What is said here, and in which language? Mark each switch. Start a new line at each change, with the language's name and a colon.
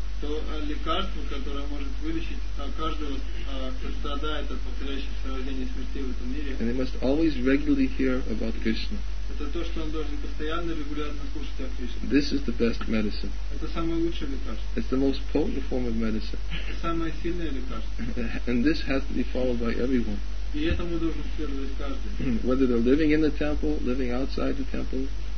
Russian: То лекарство, которое может вылечить каждого, кто страдает от повторяющихся рождений и смертей в этом мире.
English: And they must always regularly hear about Krishna.
Russian: Это то, что он должен постоянно регулярно слушать о Кришне.
English: This is the best medicine.
Russian: Это самое лучшее лекарство.
English: It's the most potent form of medicine.
Russian: Это самое сильное лекарство.
English: And this has to be followed by everyone.
Russian: И этому должен следовать каждый.
English: Whether they're living in the temple, living outside the temple.